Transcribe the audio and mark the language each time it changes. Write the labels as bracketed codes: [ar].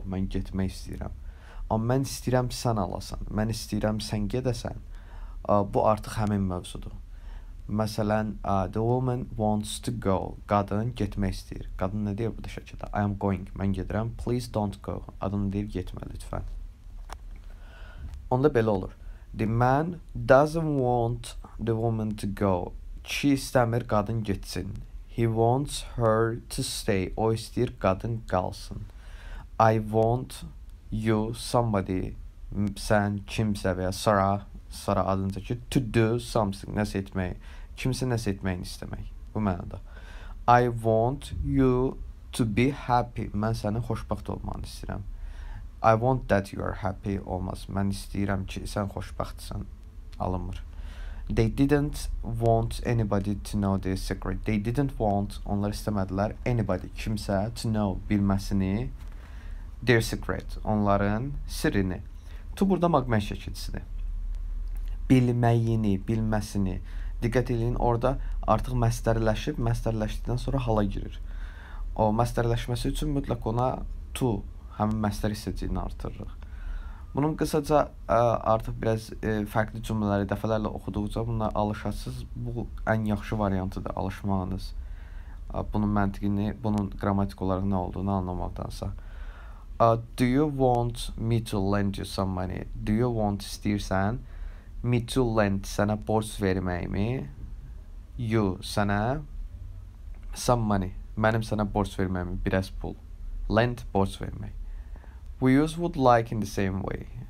[az] Mən getmək istəyirəm. Amma mən istəyirəm sən alasan. Mən istəyirəm sən gedəsən. Bu artıq həmin mövzudur. Məsələn, [en] the woman wants to go. [az] Qadın getmək istəyir. Qadın nə deyir burada şəkildə? [en] I am going. [az] Mən gedirəm. [en] Please don't go. [az] Adını deyir, getmə lütfən. Onda belə olur. [en] The man doesn't want the woman to go. [az] Çi istəmir qadın getsin. [en] He wants her to stay. [az] O istəyir qadın qalsın. [en] I want you, somebody, [az] sən, kimsə və ya Sarah adınca ki, [en] to do something, [az] nəsə etmək, kimsə nəsə etməyini istəmək, bu mənada. [en] I want you to be happy, [az] mən sənin xoşbaxt olmanı istəyirəm. [en] I want that you are happy, [az] olmaz, mən istəyirəm ki, sən xoşbaxtsan, alınmır. [en] They didn't want anybody to know their secret. They didn't want, [az] onlar istəmədilər, [en] anybody, [az] kimsə, [en] to know, [az] bilməsini, [en] their secret, [az] onların sirrini. To burada maqmən şəkilçisini. Bilməyini, bilməsini. Diqqət edin, orada artıq məstərləşib, məstərləşdikdən sonra hala girir. O məstərləşməsi üçün mütləq ona to, həmin məstər hissəciyini artırırıq. Bunun qısaca artıq biraz fərqli cümlələri dəfələrlə oxuduqca bunlar alışasız. Bu ən yaxşı variantıdır alışmağınız. Bunun məntiqini, bunun qrammatik olaraq nə olduğunu anlamaqdansa. [en] Do you want me to lend you some money? Do you want, [az] istəyirsən? [en] Me to lend, [az] sənə borç verməyimi. [en] You, [az] sənə. [en] Some money, [az] mənim sənə borç verməyimi, biraz pul. Lend, borç vermək. [en] We use would like in the same way.